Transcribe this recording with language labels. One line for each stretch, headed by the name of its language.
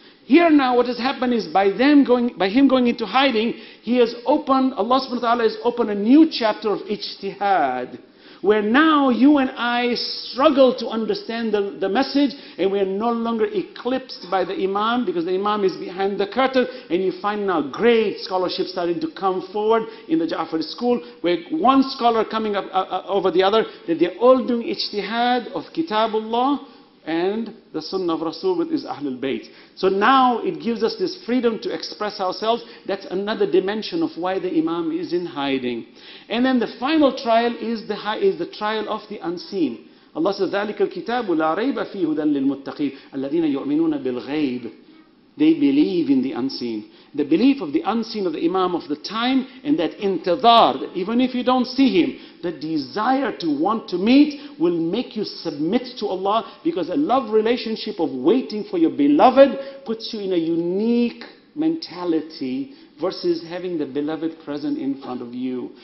English: Here now what has happened is by him going into hiding, he has opened, Allah subhanahu wa ta'ala has opened a new chapter of ijtihad, where now you and I struggle to understand the message, and we are no longer eclipsed by the Imam, because the Imam is behind the curtain, and you find now great scholarship starting to come forward in the Ja'far school, where one scholar coming up over the other, that they're all doing ijtihad of Kitabullah and the Sunnah of Rasul with his Ahlul Bayt. So now it gives us this freedom to express ourselves. That's another dimension of why the Imam is in hiding. And then the final trial is the trial of the unseen. Allah says,
Arabic: ذَلِكَ الْكِتَابُ لَا رَيْبَ فِي هُدًى لِلْمُتَّقِينَ الَّذِينَ يُؤْمِنُونَ بِالْغَيْبِ.
English: They believe in the unseen. The belief of the unseen of the Imam of the time, and that intidhar, even if you don't see him, the desire to want to meet will make you submit to Allah, because a love relationship of waiting for your beloved puts you in a unique mentality versus having the beloved present in front of you.